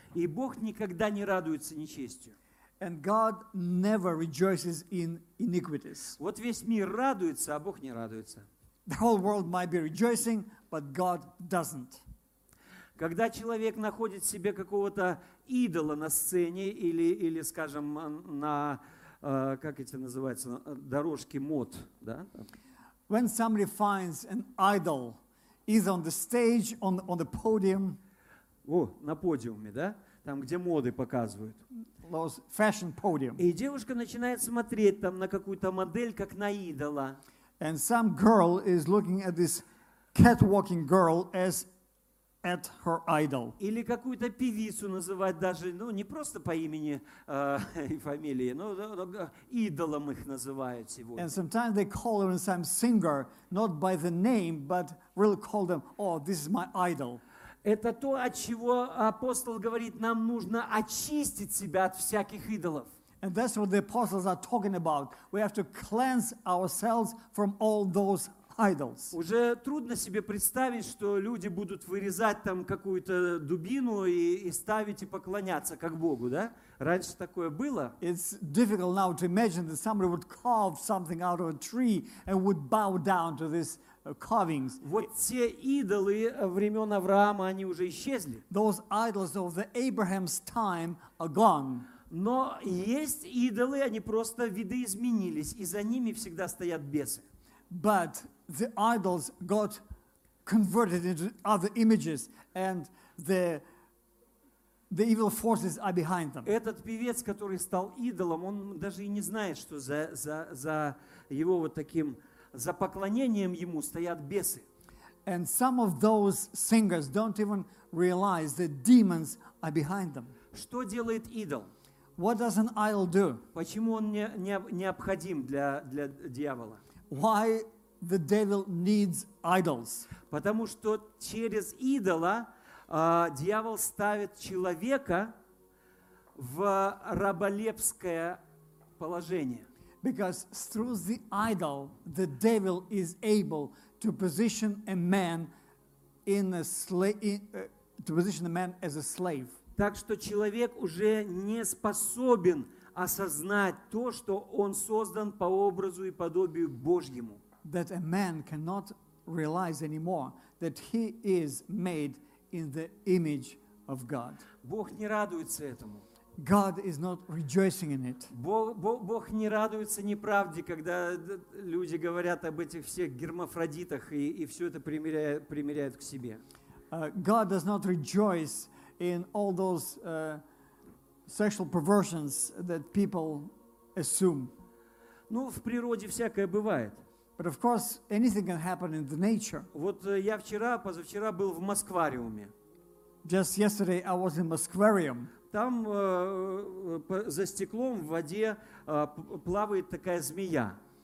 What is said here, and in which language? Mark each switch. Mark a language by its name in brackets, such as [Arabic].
[Russian] И Бог никогда не радуется нечестию. [English] And God never rejoices in iniquities. [Russian] Вот весь мир радуется, а Бог не радуется. [English] The whole world might be rejoicing, but God doesn't. [Russian] Когда человек находит себе какого-то идола на сцене или скажем, на, как эти называются, дорожке мод, да? [English] When somebody finds an idol, either on the stage, on the podium. [Russian] О, на подиуме, да? Там, где моды показывают. [English] Fashion podium. [Russian] И девушка начинает смотреть там на какую-то модель, как на идола. [English] And some girl is looking at this catwalking girl as at her idol. [Russian] Или какую-то певицу называть даже, ну, не просто по имени и фамилии, но идолом их называют сегодня. [English] And sometimes they call her some singer, not by the name, but really call them, oh, this is my idol. [Russian] Это то, от чего апостол говорит, нам нужно очистить себя от всяких идолов. [English] And that's what the apostles are talking about. We have to cleanse ourselves from all those idols. [Russian] Уже трудно себе представить, что люди будут вырезать там какую-то дубину и ставить и поклоняться как Богу, да? Раньше такое было. [English] It's difficult now to imagine that somebody would carve something out of a tree and would bow down to this. Carvings. [Russian] Вот те идолы времен Авраама, они уже исчезли. [English] Those idols of the Abraham's time are gone. [Russian] Но есть идолы, они просто видоизменились, и за ними всегда стоят бесы. [English] But the idols got converted into other images, and the evil forces are behind them. [Russian] Этот певец, который стал идолом, он даже и не знает, что за его вот таким. За поклонением ему стоят бесы. [English] And some of those singers don't even realize that demons are behind them. [Russian] Что делает идол? [English] What does an idol do? [Russian] Почему он необходим для дьявола? [English] Why the devil needs idols? [Russian] Потому что через идола дьявол ставит человека в раболепское положение. [English] Because through the idol, the devil is able to position a man in a to position a man as a slave. [Russian] Так что человек уже не способен осознать то, что он создан по образу и подобию Божьему. [English] That a man cannot realize anymore that he is made in the image of God. [Russian] Бог не радуется этому. [English] God is not rejoicing in it. [Russian] Бог не радуется неправде, когда люди говорят об этих всех гермафродитах и все это примеряют к себе. [English] God does not rejoice in all those sexual perversions that people assume. [Russian] Ну, в природе всякое бывает. [English] But of course, anything can happen in the nature. [Russian] Вот я вчера, позавчера был в Москвариуме. [English] Just yesterday I was in Mosquarium. [Russian] Там за стеклом в воде плавает такая змея.